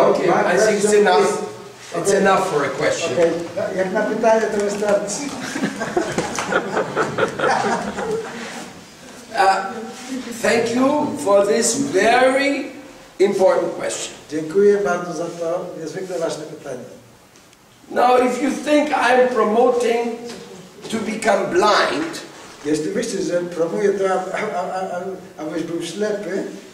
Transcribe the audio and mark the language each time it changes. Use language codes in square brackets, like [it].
[en] Okay. I think it's enough. It's okay. Enough for a question. Okay. [pl] Jak na pytanie to wystarczy. [en] Thank you for this very important question. [pl] Dziękuję bardzo za to niezwykle ważne pytanie. [en] Now, if you think I'm promoting to become blind, [pl] jeśli myślisz, że promuję to, abyś był ślepy.